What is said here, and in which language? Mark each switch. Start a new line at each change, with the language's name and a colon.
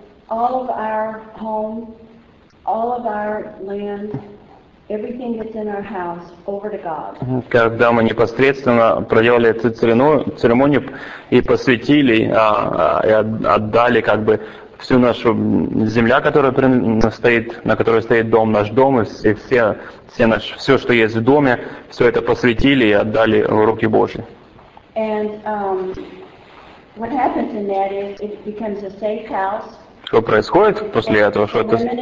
English: All of our home, all of our land, everything that's in our house, over to God.
Russian: Когда мы непосредственно проделали эту церемонию и посвятили, и отдали как бы всю нашу земля, которая стоит, на которой стоит дом, наш дом, и все, что есть в доме, все это посвятили и отдали в руки Божьи.
English: And what happens in that is it becomes a safe house.
Russian: Что происходит после этого, что это?